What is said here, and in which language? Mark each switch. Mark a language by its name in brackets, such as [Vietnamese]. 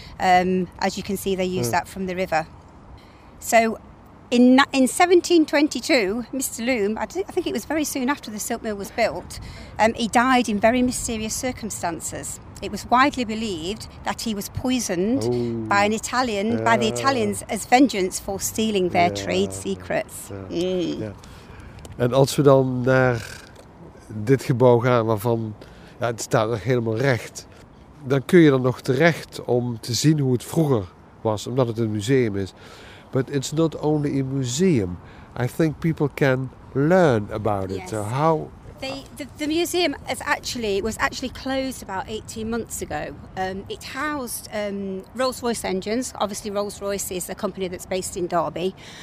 [English] As you can see, they used that from the river. So in 1722, Mr. Loom, I think it was very soon after the silk mill was built, he died in very mysterious circumstances. It was widely believed that he was poisoned by an Italian, by the Italians, as vengeance for stealing their trade secrets. [Dutch] En als we dan naar dit gebouw gaan, waarvan ja, het staat nog helemaal recht, dan kun je dan nog terecht om te zien hoe het vroeger was, omdat het een museum is. [English] But it's not only a museum. I think people can learn about it. Yes. The museum was actually closed about 18 months ago. It housed Rolls-Royce engines. Obviously, Rolls-Royce is a company that's based in Derby.